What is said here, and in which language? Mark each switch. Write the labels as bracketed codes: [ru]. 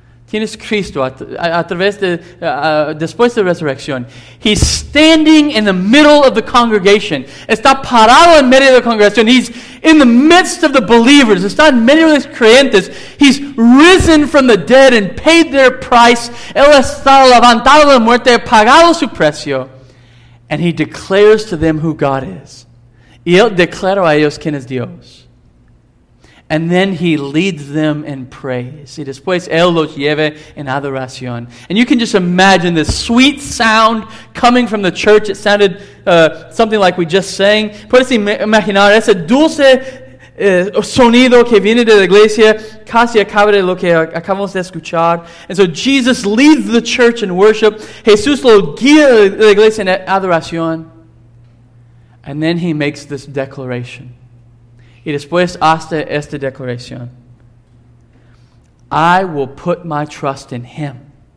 [es] Tienes Cristo después de la resurrección. [en] He's standing in the middle of the congregation. [es] Está parado en medio de la congregación. [en] He's in the midst of the believers. [es] Está en medio de los creyentes. [en] He's risen from the dead and paid their price. [es] Él está levantado de la muerte, pagado su precio. [en] And he declares to them who God is. [es] Y él declara a ellos quién es Dios. [en] And then he leads them in praise. [es] Y después él los lleva en adoración. [en] And you can just imagine this sweet sound coming from the church. It sounded something like we just sang. [es] Puedes imaginar ese dulce sonido que viene de la iglesia. Casi acaba de lo que acabamos de escuchar. [en] And so Jesus leads the church in worship. [es] Jesús lo guía la iglesia en adoración. [en] And then he makes this declaration. [es] Y después hace esta declaración. [en] I will put my trust in him.